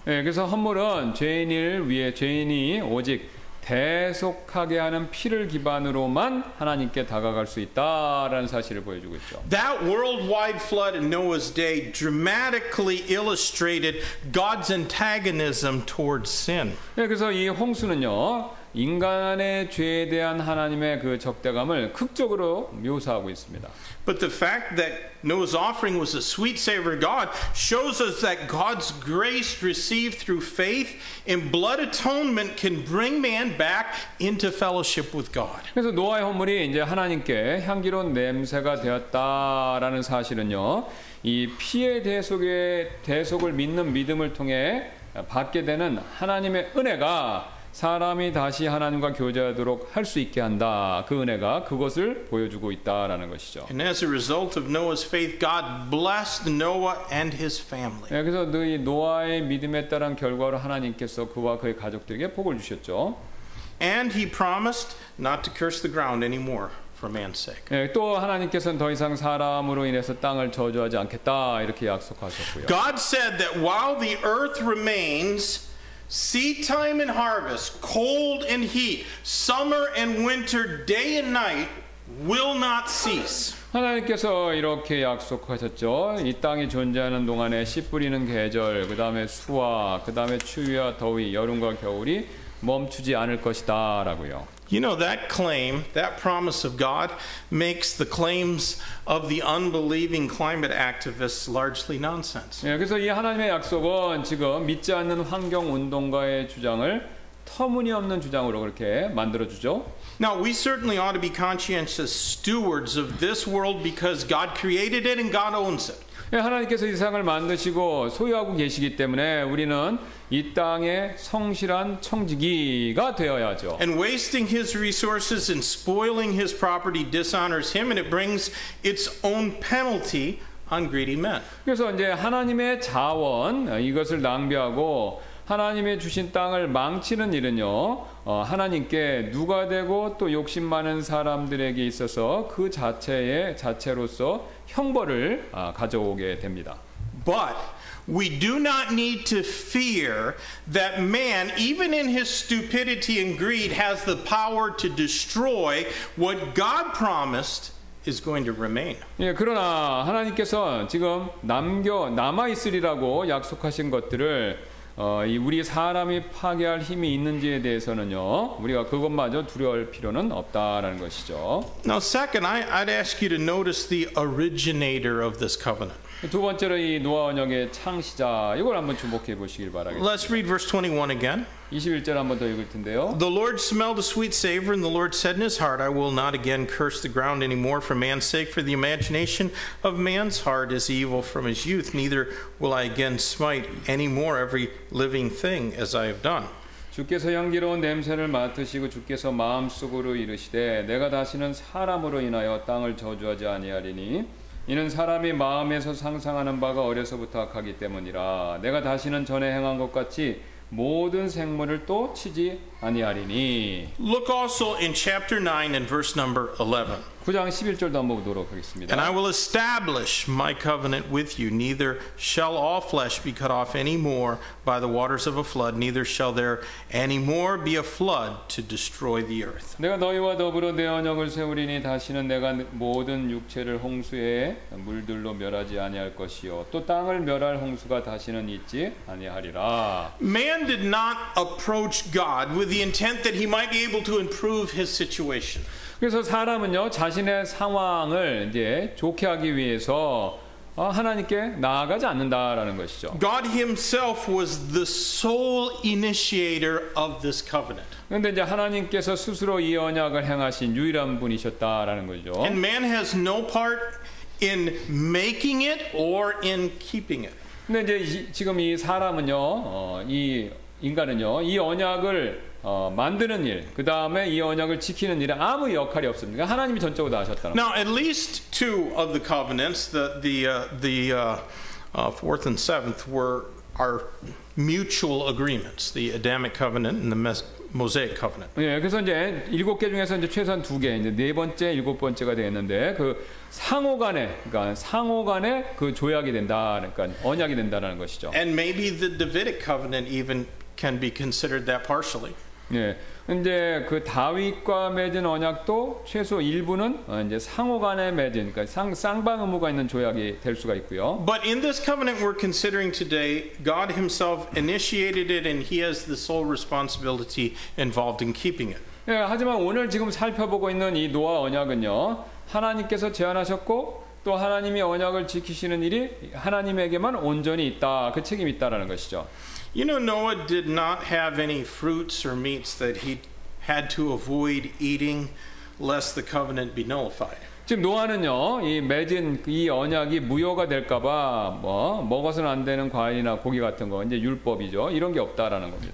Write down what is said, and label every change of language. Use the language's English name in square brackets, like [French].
[Korean] 예, 그래서 헌물은 죄인이 오직 대속하게 하는 피를 기반으로만 하나님께 다가갈 수 있다라는 사실을 보여주고 있죠. [English] That worldwide flood in Noah's day dramatically illustrated God's antagonism towards sin. [Korean] 예, 그래서 이 홍수는요. 인간의 죄에 대한 하나님의 그 적대감을 극적으로 묘사하고 있습니다. [English] But the fact that Noah's offering was a sweet savor to God shows us that God's grace received through faith in blood atonement can bring man back into fellowship with God. [Korean] 그래서 노아의 헌물이 이제 하나님께 향기로운 냄새가 되었다라는 사실은요. 이 피의 대속을 믿는 믿음을 통해 받게 되는 하나님의 은혜가 사람이 다시 하나님과 교제하도록 할 수 있게 한다. 그 은혜가 그것을 보여주고 있다라는 것이죠. [English] And as a result of Noah's faith, God blessed Noah and his family. [Korean] 그래서 노아의 믿음에 따른 결과로 하나님께서 그와 그의 가족들에게 복을 주셨죠. [English] And he promised not to curse the ground anymore for man's sake. [Korean] 또 하나님께서는 더 이상 사람으로 인해서 땅을 저주하지 않겠다 이렇게 약속하셨고요. [English] God said that while the earth remains, seed time and harvest, cold and heat, summer and winter, day and night will not cease. [Korean] 하나님께서 이렇게 약속하셨죠. 이 땅이 존재하는 동안에 씨 뿌리는 계절, 그 다음에 수와, 그 다음에 추위와 더위, 여름과 겨울이 멈추지 않을 것이다라고요. [English] You know that claim, that promise of God, makes the claims of the unbelieving climate activists largely nonsense. [Korean] 예, 그래서 이 하나님의 약속은 지금 믿지 않는 환경 운동가의 주장을 터무니없는 주장으로 그렇게 만들어 주죠. [English] Now we certainly ought to be conscientious stewards of this world because God created it and God owns it. [Korean] 예, 하나님께서 이 세상을 만드시고 소유하고 계시기 때문에 우리는 이 땅의 성실한 청지기가 되어야죠. [English] And wasting his resources and spoiling his property dishonors him and it brings its own penalty on greedy men. [Korean] 그래서 이제 하나님의 자원 이것을 낭비하고 하나님의 주신 땅을 망치는 일은요. 하나님께 누가 되고 또 욕심 많은 사람들에게 있어서 그 자체로서 형벌을 가져오게 됩니다. [English] But we do not need to fear that man, even in his stupidity and greed, has the power to destroy what God promised is going to remain. [Korean] 예, 그러나 하나님께서 지금 남아 있으리라고 약속하신 것들을 이 우리 사람이 파괴할 힘이 있는지에 대해서는요, 우리가 그것마저 두려울 필요는 없다라는 것이죠. [English] Now, second, I'd ask you to notice the originator of this covenant. [Korean] 두 번째로 이 노아 언약의 창시자 이걸 한번 주목해 보시길 바라겠습니다. [English] Let's read verse 21 again. [Korean] 21절 한번 더 읽을 텐데요. [English] The Lord smelled a sweet savor, and the Lord said in his heart, "I will not again curse the ground anymore for man's sake, for the imagination of man's heart is evil from his youth. Neither will I again smite anymore every living thing as I have done." [Korean] 주께서 향기로운 냄새를 맡으시고 주께서 마음속으로 이르시되 내가 다시는 사람으로 인하여 땅을 저주하지 아니하리니 이는 사람이 마음에서 상상하는 바가 어려서부터 악하기 때문이라 내가 다시는 전에 행한 것 같이 모든 생물을 또 치지 아니하리니 [English] Look also in chapter 9 and verse number 11. [Korean] 9장 11절도 한번 보도록 하겠습니다. [English] And I will establish my covenant with you. Neither shall all flesh be cut off any more by the waters of a flood. Neither shall there any more be a flood to destroy the earth. [Korean] 내가 너희와 더불어 내 언약을 세우리니 다시는 내가 모든 육체를 홍수의 물들로 멸하지 아니할 것이요 또 땅을 멸할 홍수가 다시는 있지 아니하리라. [English] Man did not approach God with the intent that he might be able to improve his situation. [Korean] 그래서 사람은요 자신의 상황을 이제 좋게 하기 위해서 하나님께 나아가지 않는다라는 것이죠. [English] God himself was the sole initiator of this covenant. [Korean] 그런데 이제 하나님께서 스스로 이 언약을 행하신 유일한 분이셨다라는 거죠. [English] And man has no part in making it or in keeping it. [Korean] 근데 이제 지금 이 사람은요 이 인간은요 이 언약을 만드는 일, 그 다음에 이 언약을 지키는 일에 아무 역할이 없습니다. 하나님이 전적으로 다 하셨다는. [English] Now at least two of the covenants, the fourth and seventh, are mutual agreements. The Adamic covenant and the Mosaic covenant. [Korean] 예, 그래서 이제 일곱 개 중에서 이제 최소한 두 개, 이제 네 번째, 일곱 번째가 되었는데 그 상호간에, 그러니까 상호간에 그 조약이 된다, 그러니까 언약이 된다라는 것이죠. [English] And maybe the Davidic covenant even. Can be considered that partially. [Korean] 예, 이제 그 다윗과 맺은 언약도 최소 일부는 이제 상호간에 맺은, 그러니까 쌍방 의무가 있는 조약이 될 수가 있고요. [English] But in this covenant we're considering today, God Himself initiated it, and He has the sole responsibility involved in keeping it. [Korean] 예, 하지만 오늘 지금 살펴보고 있는 이 노아 언약은요, 하나님께서 제안하셨고. 또 하나님이 언약을 지키시는 일이 하나님에게만 온전히 있다. 그 책임이 있다라는 것이죠. [English] You know Noah did not have any fruits or meats that he had to avoid eating lest the covenant be nullified. [Korean] 지금 노아는요, 이 맺은 이 언약이 무효가 될까봐 뭐 먹어서는 안 되는 과일이나 고기 같은 거 이제 율법이죠. 이런 게 없다라는 겁니다.